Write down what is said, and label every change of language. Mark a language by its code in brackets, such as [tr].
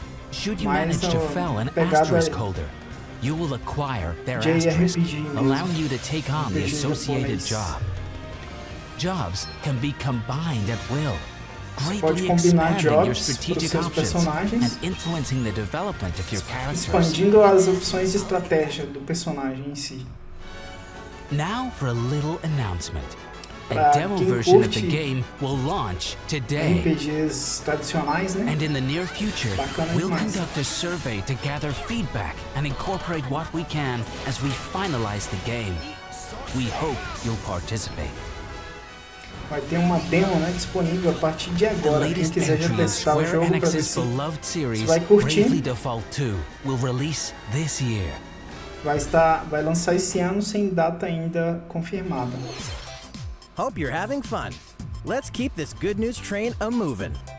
[en] Should you manage to fell an asterisk holder, you will acquire their asterisk, allowing you to take on the associated job. Jobs can be combined at will, greatly expanding your strategic options and influencing the development of your characters. [pt] Expandindo as opções de estratégia do personagem em si. [en] Now for a little announcement. A demo version of the game will launch today. [pt] RPGs tradicionais, né? [en] And in the near future, we'll conduct a survey to gather feedback and incorporate what we can as we finalize the game. We hope you'll participate. [pt] Vai ter uma demo, né, disponível a partir de agora. Quem quiser já testar o jogo para ver se vai curtir. [en] 2 will release this year. [pt] Vai lançar esse ano sem data ainda confirmada. [en] Hope you're having fun. Let's keep this good news train a moving.